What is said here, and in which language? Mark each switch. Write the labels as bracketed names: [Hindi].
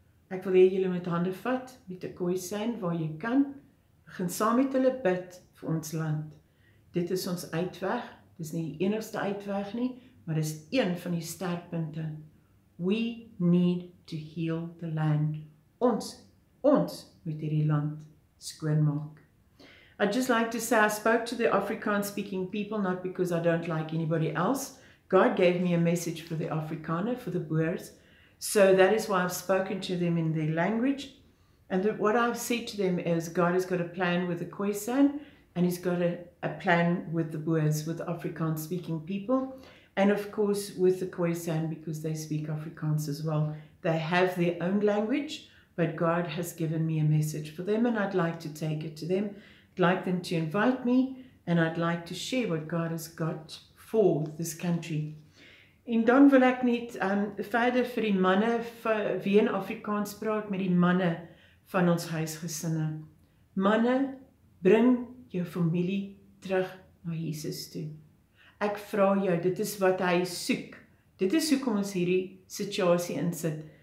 [Afrikaans] Ek wil hê julle moet hande vat met 'n Khoisan waar jy kan begin saam met hulle bid vir ons land. Dit is ons uitweg. Dis nie die enigste uitweg nie, maar dis een van die sterkpunte. [English] We need to heal the land. [Afrikaans] Ons moet hierdie land skoon maak. [English] I'd just like to say I spoke to the Afrikaans speaking people not because I don't like anybody else. God gave me a message for the Afrikaner, for the Boers. So that is why I've spoken to them in their language. And what I've said to them is God has got a plan with the Khoisan and he's got a plan with the Boers, with Afrikaans speaking people. And of course with the Khoisan because they speak Afrikaans as well. They have their own language, but God has given me a message for them and I'd like to take it to them. I'd like them to invite me and I'd like to share what God has got for this country. [Afrikaans] En dan wil ek net verder vir die manne wie in Afrikaans praat met die manne van ons huisgesinne. Manne, bring jou familie terug na Jesus toe. Ek vra jou, dit is wat hy soek. Dit is hoekom ons hierdie situasie insit.